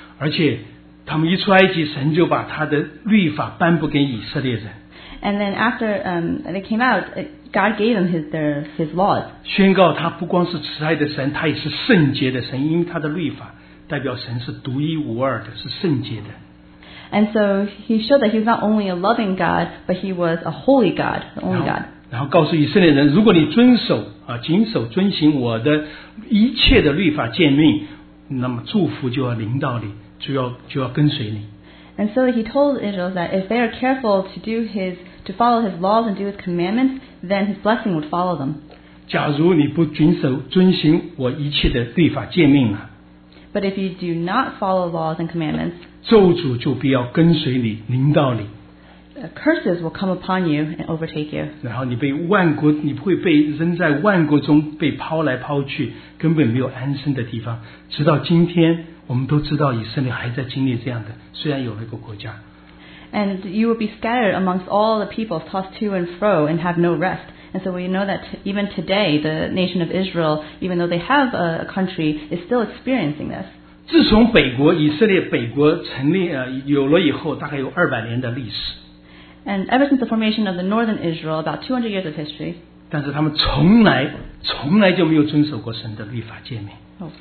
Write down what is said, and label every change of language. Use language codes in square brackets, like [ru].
[zh] 而且他们一出埃及，神就把他的律法颁布给以色列人。 [en] And then after they came out, God gave them his laws. [zh] 宣告他不光是慈爱的神，他也是圣洁的神，因为他的律法代表神是独一无二的，是圣洁的。 [en] And so he showed that he was not only a loving God, but he was a holy God, the only God. [zh] 然后告诉以色列人，如果你遵行我的一切的律法诫命，那么祝福就要临到你。就要跟随你。 [en] And so he told Israel that if they are careful to follow his laws and do his commandments, then his blessing would follow them. [zh] 假如你不遵行我一切的律法诫命了。 [en] But if you do not follow laws and commandments, [zh] 咒诅就必要跟随你，临到你。 [en] Curses will come upon you and overtake you. [zh] 然后你会被扔在万国中，被抛来抛去，根本没有安身的地方，直到今天。我们都知道以色列还在经历这样的，虽然有了一个国家。 [en] And you will be scattered amongst all the peoples, tossed to and fro, and have no rest. And so we know that even today, the nation of Israel, even though they have a country, is still experiencing this. [zh] 自从以色列北国成立有了以后，大概有200年的历史。 [en] And ever since the formation of the northern Israel, about 200 years of history. [zh] 但是他们从来就没有遵守过神的律法诫命。